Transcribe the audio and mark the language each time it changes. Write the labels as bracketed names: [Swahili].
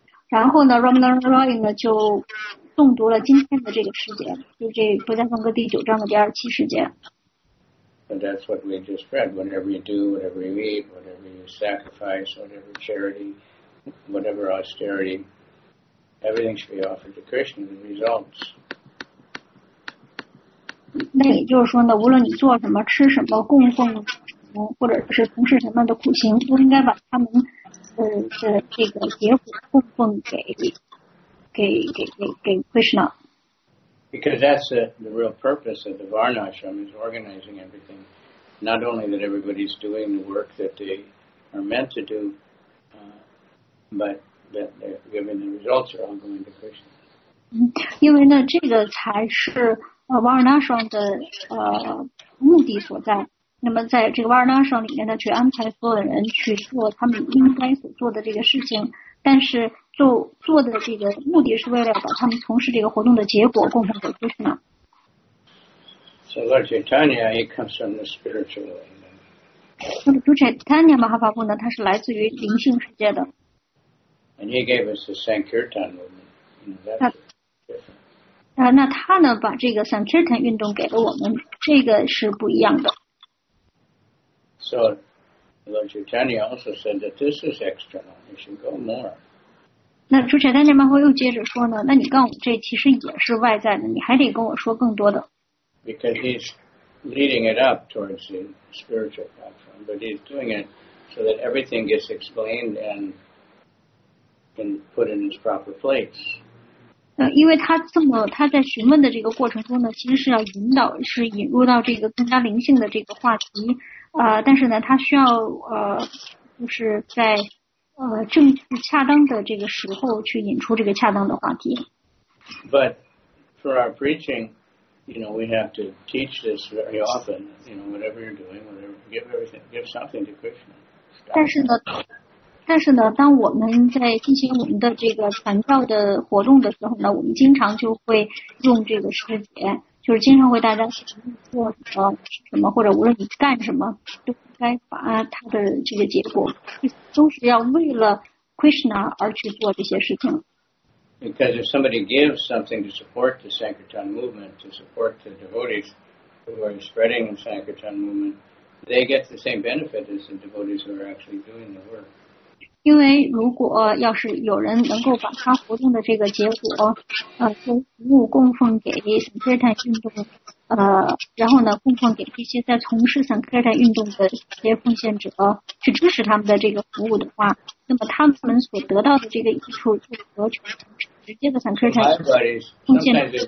[Chinese] 然后呢 Ramananda Roy 呢就诵读了今天的这个诗节，就这不再诵歌第九章的第二七诗节。 [English] And that's what we just read, whenever you do, whatever you eat, whatever you sacrifice, whatever charity,Whatever austerity, everything should be offered to Krishna, the results. [Chinese] 那也就是说呢，无论你做什么、吃什么、供奉什么，或者是从事什么的苦行，都应该把他们的这个结果供奉给 Krishna. [English] Because that's the real purpose of the Varnashram is organizing everything. Not only that everybody's doing the work that they are meant to do,But that given the results are all going to Krishna. [Chinese] 因为呢，这个才是Varnashram 的目的所在。那么在这个 Varnashram 里面呢，去安排所有人去做他们应该所做的这个事情。但是做的这个目的是为了把他们从事这个活动的结果供奉给 Krishna。 [English] So Lord Chaitanya, he comes from the spiritual world. [Chinese] 那么主 Chaitanya Mahaprabhu 呢，他是来自于灵性世界的。 [English] And he gave us the Sankirtan movement. That's different. [Chinese] 那他呢把这个 Sankirtan 运动给了我们，这个是不一样的。 [English] So Lord Chaitanya also said that this is external. You should go more. [Chinese] 那朱彩丹这妈会又接着说呢，那你告诉我这其实也是外在的，你还得跟我说更多的。 [English] Because he's leading it up towards the spiritual platform, but he's doing it so that everything gets explained and can put in its proper place. [Chinese] 因为他这么他在询问的这个过程中呢，其实是要引导，是引入到这个更加灵性的这个话题，但是呢，他需要就是在。正恰当的这个时候去引出这个恰当的话题。 [English] But for our preaching, you know, we have to teach this very often. You know, whatever you're doing, whatever, give everything, give something to Krishna. [Chinese] 但是呢，当我们在进行我们的这个传教的活动的时候呢，我们经常就会用这个师姐，就是经常会大家做什么，或者无论你干什么，都该把他的这个结果，都是要为了 Krishna 而去做这些事情。 [English] Because if somebody gives something to support the Sankirtan movement, to support the devotees who are spreading the Sankirtan movement, they get the same benefit as the devotees who are actually doing the work. [Chinese] 因为如果要是有人能够把他活动的这个结果，服务供奉给 Sankirtan 运动，然后呢，供奉给这些在从事 Sankirtan 运动的这些奉献者去支持他们的这个服务的话，那么他们所得到的这个益处就是和直接的 Sankirtan 奉献者。